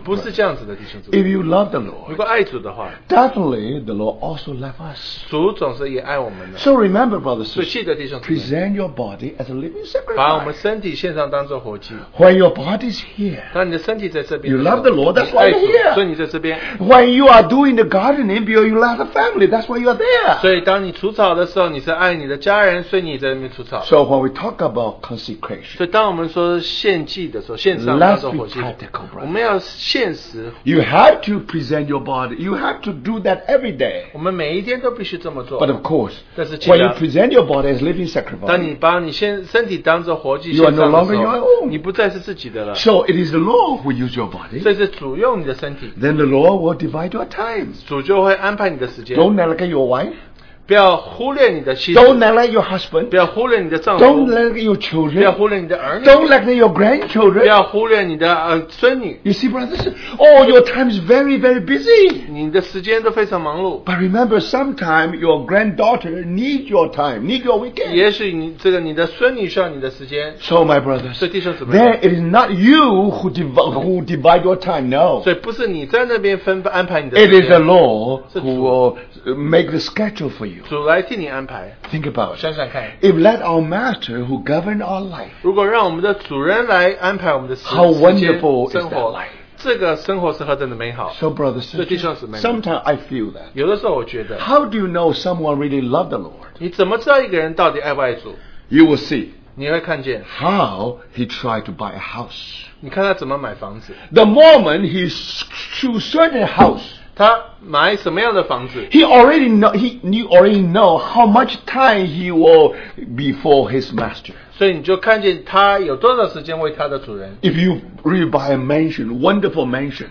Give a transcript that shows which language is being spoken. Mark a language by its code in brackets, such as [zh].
[zh] 不是这样子的弟兄姊妹。 [en] If you love the Lord, [zh] 如果爱主的话, [en] definitely the Lord also loves us. [zh] 主总是也爱我们的。 [en] So remember, brothers, [zh] 所以记得弟兄姊妹, [en] present your body as a living sacrifice. [zh] 把我们身体献上当作活祭。 [en] When your body is here, [zh] 当你的身体在这边, [en] you love the Lord, that's why you're here. [zh] 所以你在这边。 [en] When you are doing the gardening, you love the family, that's why you are there. [zh] 所以当你除草的时候, 你是爱你的家人, 所以你在 [en] So when we talk about consecration, [zh] 所以当我们说献祭的时候，献上当作活祭，我们要现实。 [en] You have to present your body. You have to do that every day. [zh] 我们每一天都必须这么做。 [en] But of course, [zh] 但是 [en] ，when you present your body as living sacrifice, [zh] 当你把你身体当作活祭， [en] you are no longer your own. [zh] 你不再是自己的了。 [en] So it is the Lord who use your body. [zh] 所以是主用你的身体。 [en] Then the Lord will divide your time. [zh] 主就会安排你的时间。 [en] Don't neglect your wife. [zh] 不要忽略你的妻子。 [en] Don't neglect your husband. [zh] 不要忽略你的丈夫。 [en] Don't neglect your children. [zh] 不要忽略你的儿女。 [en] Don't neglect your grandchildren. [zh] 不要忽略你的孙女。 [en] You see, brothers, oh, your time is very, very busy. [zh] 你的时间都非常忙碌。 [en] But remember, sometime your granddaughter need your time, need your weekend. [zh] 也许你这个你的孙女需要你的时间。 [en] So my brothers, [zh] 所以弟兄姊妹。 [en] Then it is not you who divide your time. No. [zh] 所以不是你在那边分安排你的。 [en] It is the Lord who will make the schedule for you. [zh] 主来替你安排。 [en] Think about it. [zh] 想想看。 [en] If let our master who govern our life, [zh] 如果让我们的主人来安排我们的时间 [en] How wonderful is that life? [zh] 这个生活是何等的美好。 [en] So brothers, sisters, sometimes I feel that. [zh] 有的时候我觉得。 [en] How do you know someone really loved the Lord? [zh] 你怎么知道一个人到底爱不爱主？ [en] You will see. [zh] 你会看见。 [en] How he tried to buy a house. [zh] 你看他怎么买房子。 [en] The moment he chose a certain house, [zh] 他买什么样的房子 [en] He already knew how much time he will before his master. [zh] 所以你就看见他有多少时间为他的主人。 [en] If you really buy a mansion, wonderful mansion.